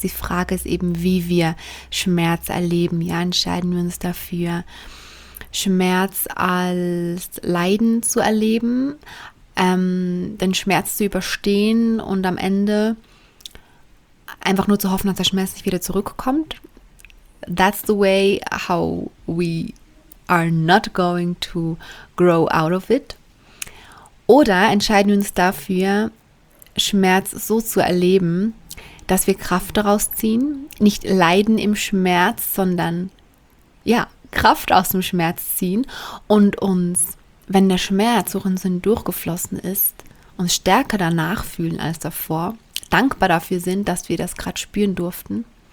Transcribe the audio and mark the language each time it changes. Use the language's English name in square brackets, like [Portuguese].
[German] Die Frage ist eben, wie wir Schmerz erleben. Ja, entscheiden wir uns dafür, Schmerz als Leiden zu erleben, den Schmerz zu überstehen und am Ende einfach nur zu hoffen, dass der Schmerz nicht wieder zurückkommt. [English] That's the way how we are not going to grow out of it. [German] Oder entscheiden wir uns dafür, Schmerz so zu erleben, dass wir Kraft daraus ziehen, nicht leiden im Schmerz, sondern ja, Kraft aus dem Schmerz ziehen und uns, wenn der Schmerz durch unseren Sinn durchgeflossen ist, uns stärker danach fühlen als davor, dankbar dafür sind, dass wir das gerade spüren durften.